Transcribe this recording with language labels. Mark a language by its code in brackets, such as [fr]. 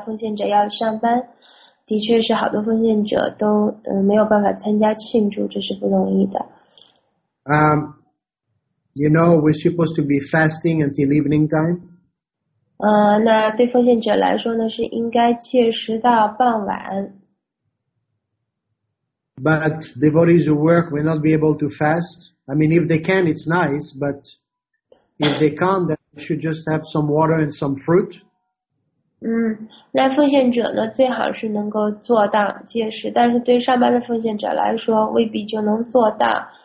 [zh] 奉献者要上班，的确是好多奉献者都没有办法参加庆祝，这是不容易的。 [en] You know, we're supposed to be fasting until evening time. [zh] 那对奉献者来说呢，是应该戒食到傍晚。 [en] But devotees who work may not be able to fast. I mean, if they can, it's nice, but if they can't, then they should just have some water and some fruit. [zh] 那奉献者呢，最好是能够做到戒食，但是对上班的奉献者来说，未必就能做到。